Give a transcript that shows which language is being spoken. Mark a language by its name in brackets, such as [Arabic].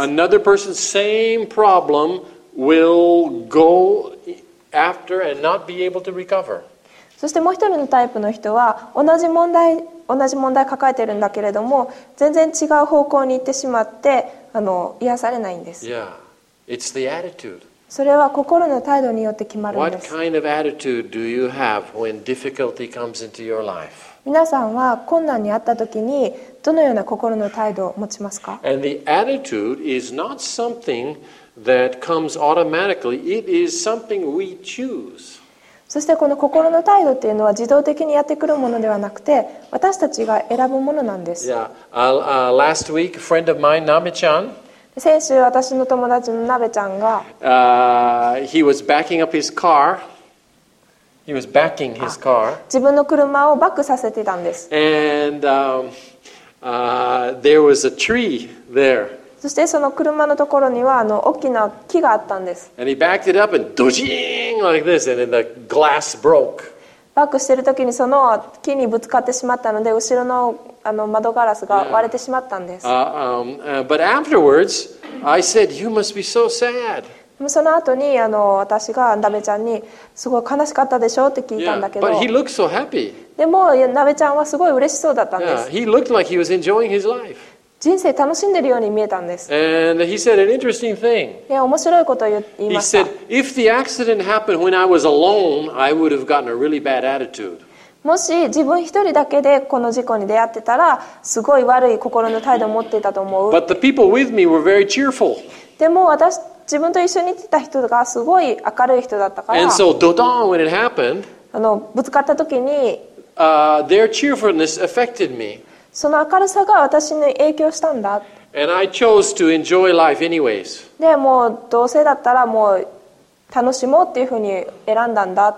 [English] Another person, same problem, will go after and not be able to recover. [Japanese] そしてもう一人のタイプの人は同じ問題抱えてるんだけれども全然違う方向に行ってしまって癒されないんです。 [English] Yeah. It's the attitude. [Japanese] それは心の態度によって決まるんです。 [English] What kind of attitude do you have when difficulty comes into your life? [Japanese] 皆さんは困難にあった時にどのような心の態度を持ちますか？ [English] And the attitude is not something that comes automatically. It is something we choose. [Japanese] そしてこの心の態度っていうのは自動的にやってくるものではなくて私たちが選ぶものなんです。 [English] Yeah. Last week, a friend of mine, Nabe-chan, [Japanese] 先週私の友達のナベちゃんが、 [English] he was backing up his car. He was backing his car. [Japanese] 自分の車をバックさせてたんです。 [English] And, there was a tree there. [Japanese] そしてその車のところには大きな木があったんです。 [English] And he backed it up and [Japanese] ドジーン [English] Like、this, and then the glass broke. [Japanese] バックしてる時にその木にぶつかってしまったので後ろ の窓ガラスが割れてしまったんです。 [English] But afterwards, I said, "You must be so sad." [Japanese] その後に私がナベちゃんにすごい悲しかったでしょって聞いたんだけど。 [English] Yeah, but he looked so happy. [Japanese] でもナベちゃんはすごい嬉しそうだったんです。 [English] Yeah, he looked like he was enjoying his life. [Japanese] 人生楽しんでるように見えたんです。 [English] And he said an interesting thing. [Japanese] いや、面白いことを言いました。 [English] He said, if the accident happened when I was alone, I would have gotten a really bad attitude. [Japanese] もし自分一人だけでこの事故に出会ってたら、すごい悪い心の態度を持っていたと思う。 [English] But the people with me were very cheerful. [Japanese] でも私自分と一緒に来た人がすごい明るい人だったから。 [English] And so, [Japanese] ドドン, [English] when it happened, [Japanese] ぶつかった時に、 [English] their cheerfulness affected me. [Japanese] その明るさが私に影響したんだ。 [English] And I chose to enjoy life anyways. [Japanese] でもうどうせだったらもう楽しもうっていうふうに選んだんだ。